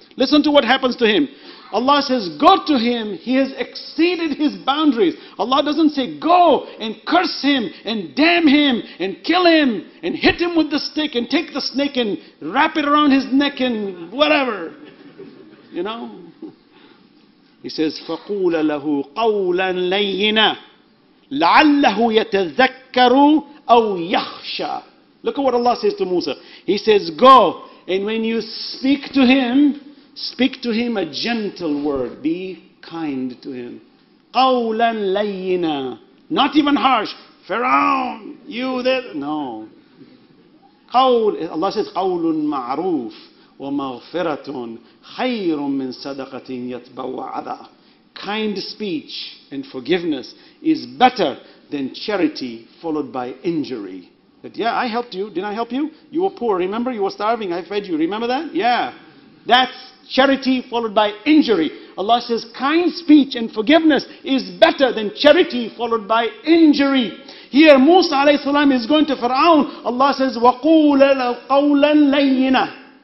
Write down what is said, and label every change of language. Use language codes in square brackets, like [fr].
[en] Listen to what happens to him. Allah says, go to him. He has exceeded his boundaries. Allah doesn't say, go and curse him and damn him and kill him and hit him with the stick and take the snake and wrap it around his neck and whatever. You know? He says, [ar] فَقُولَ لَهُ قَوْلًا لَيِّنًا لَعَلَّهُ يَتَذَكَّرُ أَوْ يَخْشَى. [en] Look at what Allah says to Musa. He says, go, and when you speak to him a gentle word. Be kind to him. [ar] قَوْلًا لَيِّنًا. [en] Not even harsh. Fir'aun, you there. No. Allah says, [ar] قَوْلٌ مَعْرُوفٌ وَمَغْفِرَةٌ خَيْرٌ مِّن صَدَقَةٍ يَتْبَوَ عَذَى. [en] Kind speech and forgiveness is better than charity followed by injury. That, yeah, I helped you. Didn't I help you? You were poor. Remember, you were starving. I fed you. Remember that? Yeah. That's charity followed by injury. Allah says, kind speech and forgiveness is better than charity followed by injury. Here, Musa alayhi salam is going to Fir'aun. Allah says, [ar] وَقُولَ قَوْلًا لَيِّنًا.